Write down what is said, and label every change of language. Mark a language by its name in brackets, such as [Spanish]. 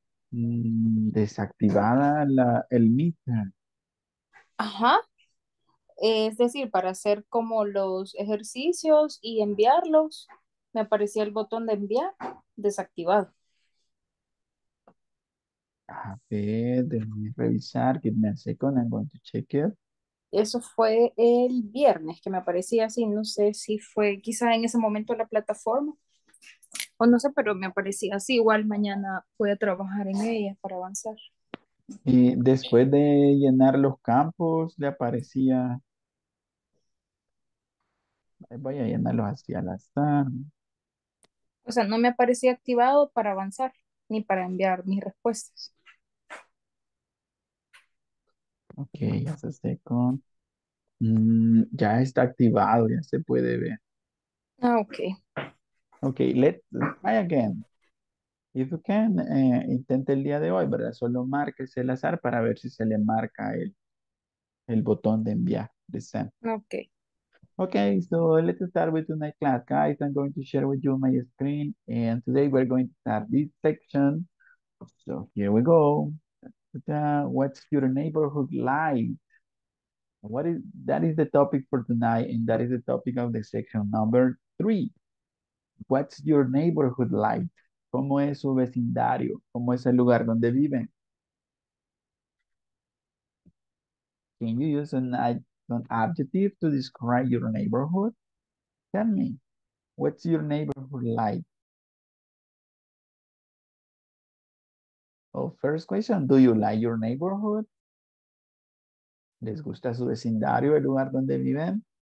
[Spanish] Desactivada el mitra. Ajá. Es decir, para hacer como los ejercicios y enviarlos, me aparecía el botón de enviar desactivado. A ver, déjame revisar. [English] Give me a second, I'm going to check it. [Spanish] Eso fue el viernes que me aparecía así. No sé si fue quizá en ese momento la plataforma o no sé, pero me aparecía así. Igual mañana voy a trabajar en ella para avanzar. Y después de llenar los campos, le aparecía. Voy a llenarlos así al azar. O sea, no me aparecía activado para avanzar ni para enviar mis respuestas. Ok, ya se está con. Ya está activado, ya se puede ver. [English] Okay. Ok, let's try again. If you can, [Spanish] intente el día de hoy, ¿verdad? Solo márquese el azar para ver si se le marca el botón de enviar, de send. [English] Okay. Okay, so let's start with tonight's class. Guys, I'm going to share with you my screen. And today we're going to start this section. So here we go. What's your neighborhood like? That is the topic for tonight, and that is the topic of the section number 3. What's your neighborhood like? [Spanish] ¿Cómo es su vecindario? ¿Cómo es el lugar donde viven? [English] Can you use an adjective to describe your neighborhood? Tell me, what's your neighborhood like? Oh, first question, do you like your neighborhood? [Spanish] ¿Les gusta su vecindario, el lugar donde viven?